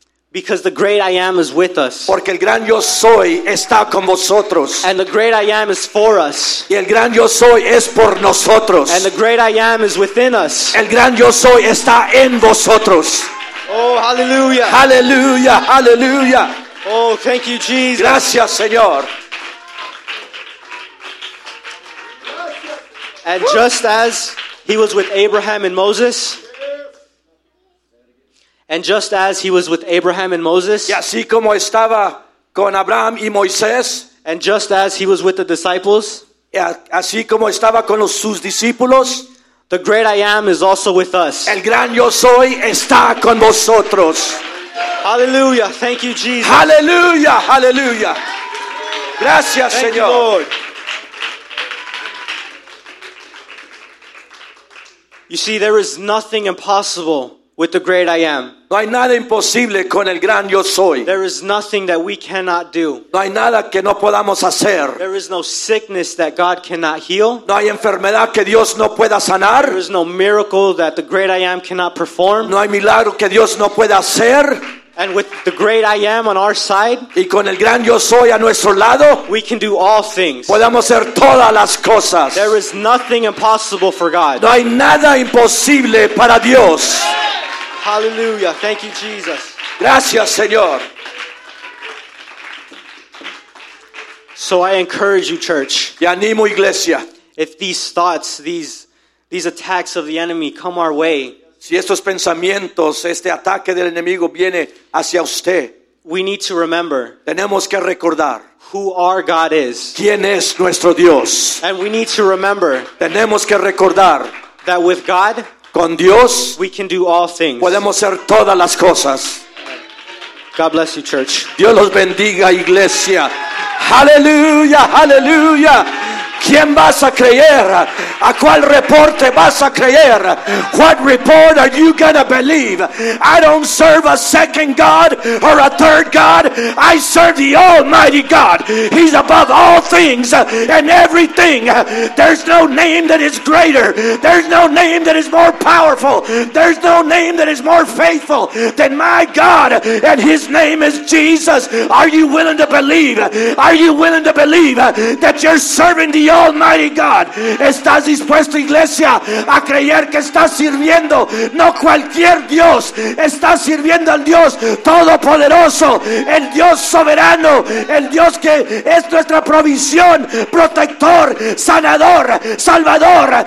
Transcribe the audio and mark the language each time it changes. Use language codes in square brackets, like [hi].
[en] Because the great I am is with us. [es] Porque el gran yo soy está con vosotros. [en] And the great I am is for us. [es] Y el gran yo soy es por nosotros. [en] And the great I am is within us. [es] El gran yo soy está en vosotros. [en] Oh, hallelujah. Hallelujah. Hallelujah. Oh, thank you, Jesus. [es] Gracias, Señor. [en] And just as he was with Abraham and Moses, and just as he was with Abraham and Moses, [es] y así como estaba con Abraham y Moisés, [en] and just as he was with the disciples, [es] así como estaba con sus discípulos, [en] the great I am is also with us. [es] El gran yo soy está con vosotros. [en] Hallelujah. Thank you, Jesus. [es] Hallelujah. Hallelujah. Gracias, [en] Thank You, Lord. You see, there is nothing impossible with the great I am. [es] No hay nada imposible con el gran yo soy. [en] There is nothing that we cannot do. [es] No hay nada que no podamos hacer. [en] There is no sickness that God cannot heal. [es] No hay enfermedad que Dios no pueda sanar. [en] There is no miracle that the great I am cannot perform. [es] No hay milagro que Dios no pueda hacer. [en] And with the great I am on our side, [es] y con el gran yo soy a nuestro lado, [en] we can do all things. [es] Podemos hacer todas las cosas. [en] There is nothing impossible for God. [es] No hay nada imposible para Dios. [en] Hallelujah. Thank you, Jesus. [es] Gracias, Señor. [en] So I encourage you, church. [es] Y animo, iglesia. [en] If these thoughts, these attacks of the enemy come our way, [es] si estos pensamientos, este ataque del enemigo viene hacia usted, [en] we need to remember, [es] tenemos que recordar, [en] who our God is, [es] quién es nuestro Dios, [en] and we need to remember, [es] tenemos que recordar, [en] that with God, [es] con Dios, [en] we can do all things, [es] podemos hacer todas las cosas. [en] God bless you, church. [es] Dios los bendiga, iglesia. Hallelujah, hallelujah. quién vas a creer? ¿A cuál reporte vas a creer? [en] What report are you going to believe? I don't serve a second God or a third God. I serve the Almighty God. He's above all things and everything. There's no name that is greater. There's no name that is more powerful. There's no name that is more faithful than my God, and his name is Jesus. Are you willing to believe? Are you willing to believe that you're serving the Almighty God? [es] ¿Estás dispuesto, iglesia, a creer que estás sirviendo no cualquier Dios? Estás sirviendo al Dios Todopoderoso, el Dios soberano, el Dios que es nuestra provisión, protector, sanador, salvador.